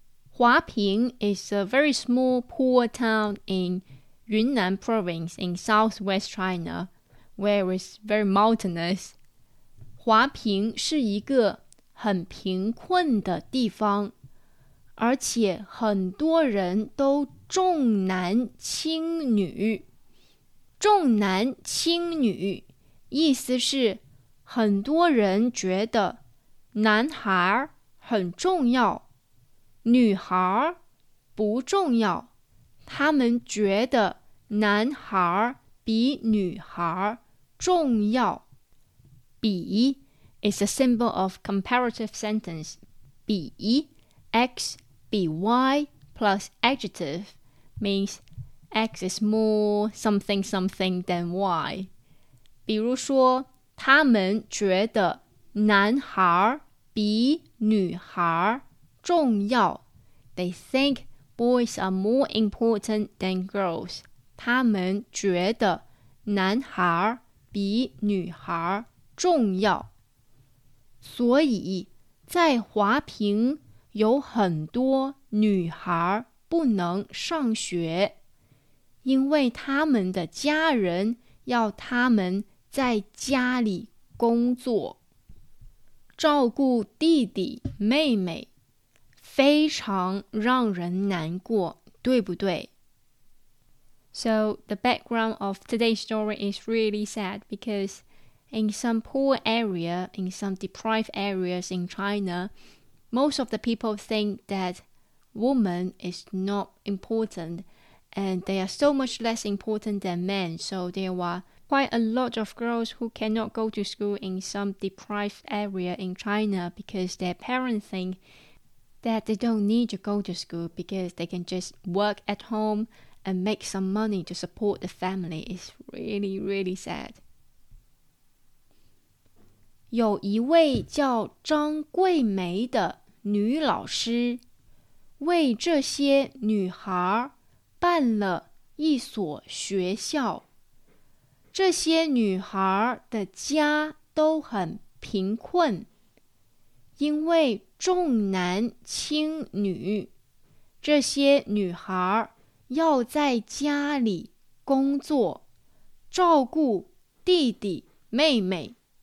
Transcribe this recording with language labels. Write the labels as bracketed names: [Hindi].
[English] 华坪 is a very small poor town in Yunnan province in southwest China, where it's very mountainous. [Chinese] 华坪是一个很贫困的地方，而且很多人都重男轻女。重男轻女意思是很多人觉得男孩很重要，女孩不重要。他们觉得男孩比女孩重要。 [English] 比 is a symbol of comparative sentence. 比 x 比 y plus adjective means x is more something something than y. [Chinese] 比如说他们觉得男孩比女孩重要。 [English] They think boys are more important than girls. [Chinese] 他们觉得男孩比女孩重要。所以在华坪有很多女孩不能上学，因为他们的家人要他们在家里工作，照顾弟弟妹妹，非常让人难过，对不对？ [English] So the background of today's story is really sad because in some poor area, in some deprived areas in China, most of the people think that woman is not important and they are so much less important than men, so there were quite a lot of girls who cannot go to school in some deprived area in China because their parents think that they don't need to go to school because they can just work at home and make some money to support the family. It's really, really sad. [Chinese] 有一位叫张桂梅的女老师为这些女孩办了一所学校。这些女孩的家都很贫困，因为重男轻女，这些女孩要在家里工作，照顾弟弟妹妹。